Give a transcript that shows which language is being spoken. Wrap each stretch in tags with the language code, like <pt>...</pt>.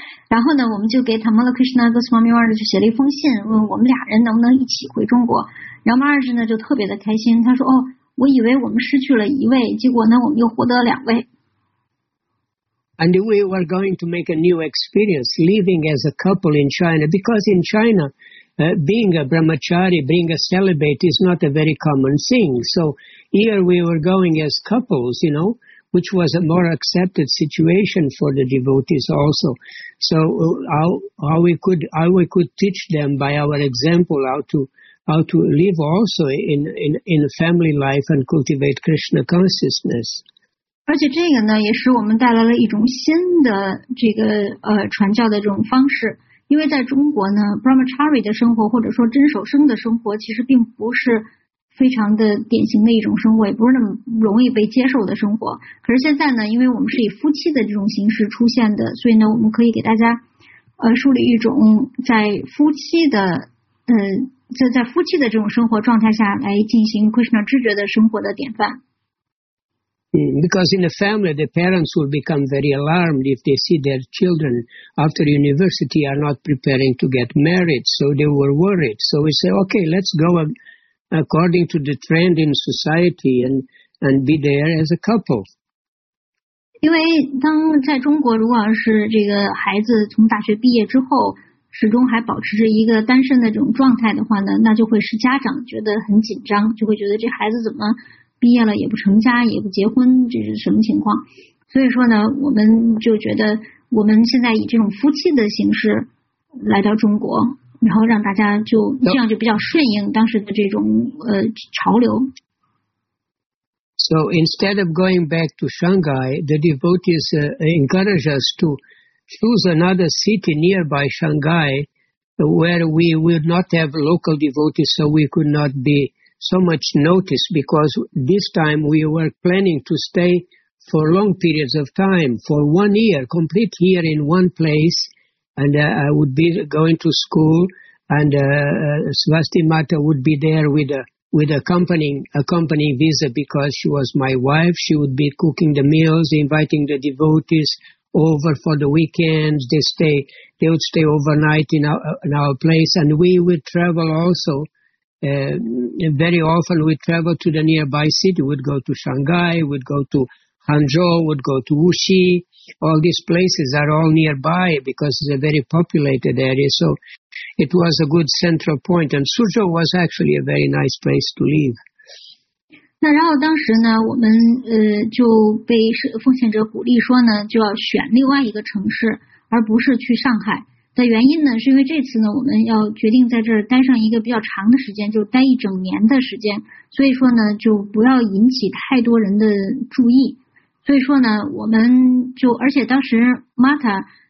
<zh>然后呢，我们就给塔玛拉克什纳格斯玛米瓦尔就写了一封信，问我们俩人能不能一起回中国。然后马尔什呢就特别的开心，他说：“哦，我以为我们失去了一位，结果呢我们又获得了两位。”</zh> <en>And we were going to make a new experience living as a couple in China, because in China, being a brahmachari, being a celibate is not a very common thing. So.Here we were going as couples, you know, which was a more accepted situation for the devotees also. So how we could teach them by our example how to live also in family life and cultivate Krishna consciousness.</en> <zh>而且这个呢也使我们带来了一种新的这个传教的这种方式。因为在中国呢 ,Brahmachari 的生活或者说真守生的生活其实并不是非常的典型的一种生活，也不是那么容易被接受的生活。可是现在呢，因为我们是以夫妻的这种形式出现的，所以呢我们可以给大家树立一种在夫妻的在夫妻的这种生活状态下来进行 Krishna 知觉的生活的典范。</zh> <en>Because in the family, the parents will become very alarmed if they see their children after university are not preparing to get married. So they were worried. So we say, okay, let's go according to the trend in society and be there as a couple.</en> <zh>因为当在中国，如果是这个孩子从大学毕业之后，始终还保持着一个单身的这种状态的话呢，那就会使家长觉得很紧张，就会觉得这孩子怎么毕业了也不成家也不结婚，这是什么情况？所以说呢，我们就觉得我们现在以这种夫妻的形式来到中国，然后让大家就这样就比较顺应当时的这种潮流。</zh> <en>So instead of going back to Shanghai, the devotees encourage us to choose another city nearby Shanghai where we would not have local devotees, so we could not be. So much notice because this time we were planning to stay for long periods of time, for 1 year, complete year in one place, and I would be going to school, and Swasti Mata would be there with accompanying visa because she was my wife. She would be cooking the meals, inviting the devotees over for the weekends. They would stay overnight in our place, and we would travel also. Very often we travel to the nearby city. We'd go to Shanghai, we'd go to Hangzhou, we'd go to Wuxi. All these places are all nearby because it's a very populated area. So it was a good central point. And Suzhou was actually a very nice place to live.</en> <zh>那然后当时呢，我们就被奉献者鼓励说呢，就要选另外一个城市，而不是去上海。的原因呢是因为这次呢我们要决定在这儿待上一个比较长的时间，就待一整年的时间，所以说呢就不要引起太多人的注意，所以说呢我们就而且当时 Mata</zh>